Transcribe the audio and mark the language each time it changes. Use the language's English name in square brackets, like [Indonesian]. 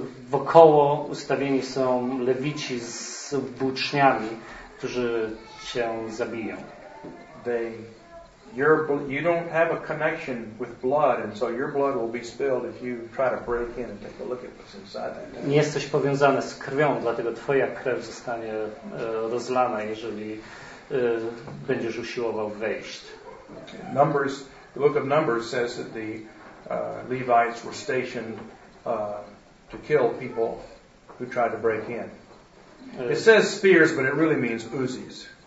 [Polish] Wokoło ustawieni są lewici z włóczniami, którzy cię zabiją. [English] You don't have a connection with blood, and so your blood will be spilled if you try to break in and take a look at what's inside that. [Polish] Nie jesteś powiązany z krwią, dlatego twoja krew zostanie rozlana, jeżeli będziesz usiłował wejść. [English] Numbers, the book of Numbers says that the Levites were stationed to kill people who tried to break in. It says spears, but it really means Uzis.